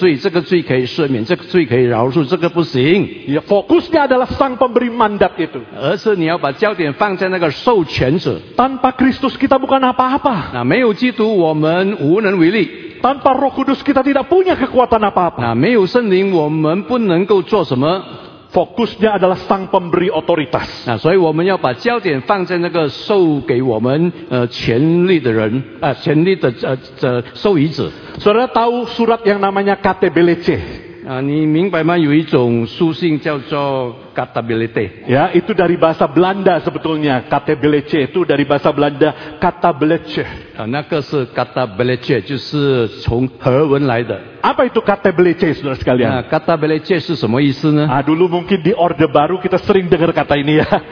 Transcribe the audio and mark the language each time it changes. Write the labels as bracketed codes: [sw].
[zh] 这并不是说我们把自己放在焦点，你有这个权利定人家的罪，这个罪可以赦免，这个罪可以饶恕，这个不行。 [id] Ya, fokusnya adalah sang pemberi mandat itu. [zh] 而是你要把焦点放在那个授权者。 [id] Tanpa Kristus kita bukan apa-apa. [zh] Nah, 没有基督我们无能为力。 [id] Tanpa Roh Kudus kita tidak punya kekuatan apa-apa. [zh] Nah, 没有圣灵我们不能够做什么。 [id] Fokusnya adalah sang pemberi otoritas. [zh] Nah, 所以我们要把焦点放在那个授给我们权力的人，权力的授予者。 [id] Saudara tahu surat yang namanya KTBLC? [zh] 你明白吗？有一种书信叫做KTBLC。 [id] Ya, itu dari bahasa Belanda sebetulnya. KTBLC itu dari bahasa Belanda KTBLC. [zh] 那个是KTBLC，就是从荷文来的。 [id] Apa itu KTBLC, saudara sekalian? [zh] Nah, KTBLC 是什么意思呢？ [id] Dulu mungkin di Orde Baru kita sering dengar kata ini ya.